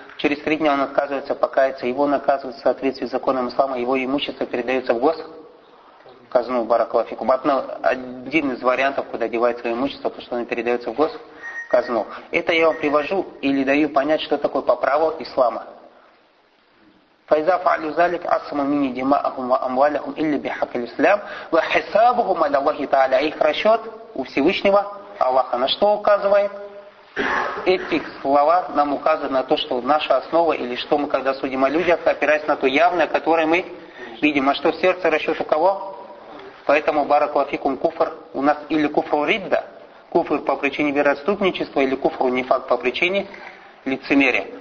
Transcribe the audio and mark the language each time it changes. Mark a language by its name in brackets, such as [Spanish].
[Russian] Через 3 дня он отказывается покаяться, его наказывают в соответствии с законом ислама, его имущество передается в казну баракулафику. Один из вариантов, куда девается имущество, потому что оно передается в казну. Это я вам привожу или даю понять, что такое по праву ислама. [Arabic] فإذا فعلوا ذلك عصم مني دماءهم وأموالهم إلا بحق الإسلام وحسابهم على الله تعالى. [Russian] Их расчет у Всевышнего Аллаха. На что указывает? Эти слова нам указывают на то, что наша основа, или что мы когда судим о людях, опираясь на то явное, которое мы видим. А что в сердце, расчет у кого? Поэтому баракулафикум куфр у нас или куфру ридда, куфр по причине вероотступничества, или куфру нифак по причине лицемерия.